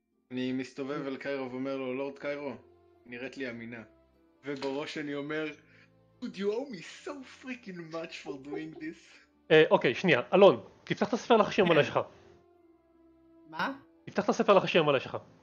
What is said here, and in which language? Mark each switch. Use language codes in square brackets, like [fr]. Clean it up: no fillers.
[he] אני מסתובב אל קיירו ואומר לו, לורד קיירו, נראית לי אמינה. ובראש אני אומר, [en] Dude, you owe me so freaking much for doing this. [he] אוקיי, שנייה, אלון, תפתח את הספר לחשי המלא שלך. מה? תפתח את הספר לחשי המלא שלך.